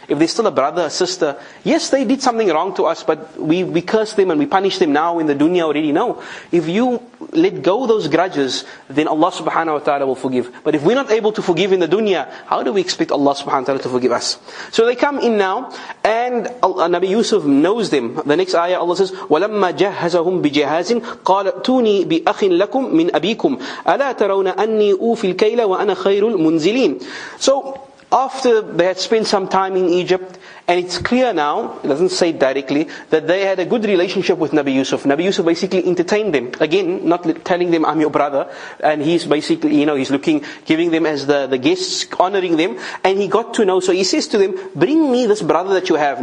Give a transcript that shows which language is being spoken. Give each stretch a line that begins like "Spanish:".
English: If there's still a brother, a sister. Yes, they did something wrong to us, but we curse them and we punish them now in the dunya already. No. If you let go those grudges, then Allah subhanahu wa ta'ala will forgive. But if we're not able to forgive in the dunya, how do we expect Allah subhanahu wa ta'ala to forgive us? So they come in now, and Nabi Yusuf knows them. The next ayah, Allah says,
Arabic: وَلَمَّا جَهَّزَهُمْ بِجَهَازٍ قَالَتُونِي بِأَخٍ لَكُمْ مِنْ أَبِيكُمْ أَلَا تَرَوْنَ أَنِّي أُوفِي الْكَيْلَ وَأَنَا خَيْرُ الْمُنْزِلِينَ. So
English: After they had spent some time in Egypt, and it's clear now, it doesn't say directly, that they had a good relationship with Nabi Yusuf. Nabi Yusuf basically entertained them. Again, not telling them, I'm your brother. And he's basically, you know, he's looking, giving them as the guests, honoring them. And he got to know, so he says to them, bring me this brother that you have.